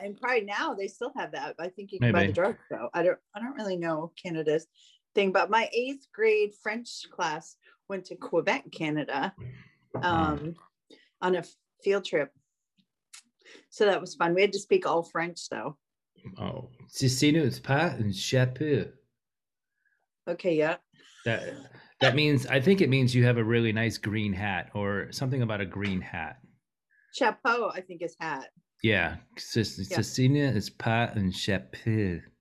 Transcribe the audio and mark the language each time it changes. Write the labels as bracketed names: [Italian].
[English] And probably now they still have that. I think you can buy the drugs though. I don't really know Canada's thing, but my 8th grade French class went to Quebec, Canada, on a field trip. So that was fun. We had to speak all French, though. [French] Oh, ceci n'est pas un chapeau. [English] Okay, yeah. That means, I think it means you have a really nice green hat or something about a green hat. Chapeau, I think, is hat. [French] Yeah, ceci n'est pas un chapeau.